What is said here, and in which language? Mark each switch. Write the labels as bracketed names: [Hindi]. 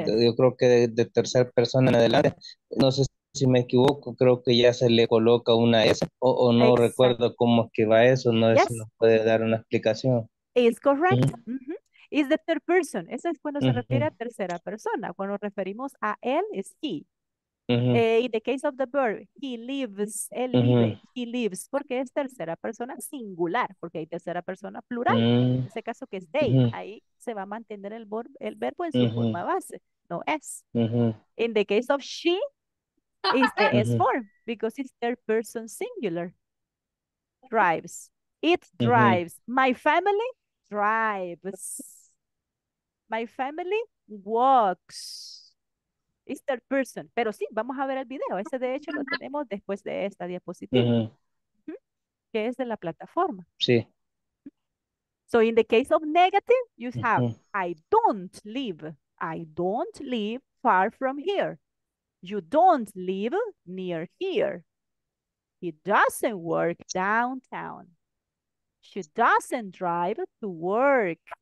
[Spanish] Yo creo que de tercera persona en adelante, no sé si me equivoco, creo que ya se le coloca una S, o no, exactly. Recuerdo cómo es que va eso, no, yes. Sé si nos puede dar una explicación. [English] Is correct. Mm-hmm. Mm-hmm. Is the third person. [Spanish] Eso es cuando, mm-hmm, se refiere a tercera persona. Cuando referimos a él, es he. Mm-hmm. [English] In the case of the verb, he lives. [Spanish] Él, mm-hmm, vive. [English] He lives. [Spanish] Porque es tercera persona singular. Porque hay tercera persona plural. Mm-hmm. En ese caso que es they. Mm-hmm. Ahí se va a mantener el verbo en su, mm-hmm, forma base. No es. Mm-hmm. [English] In the case of she, is the, mm-hmm, S form. Because it's third person singular. Drives. It drives. Mm-hmm. My family drives. My family walks. It's third person. [Spanish] Pero sí, vamos a ver el video. Ese de hecho lo tenemos después de esta diapositiva. Mm-hmm. Que es de la plataforma. Sí. [English] So in the case of negative, you have, mm-hmm, I don't live. I don't live far from here. You don't live near here. He doesn't work downtown. She doesn't drive to work.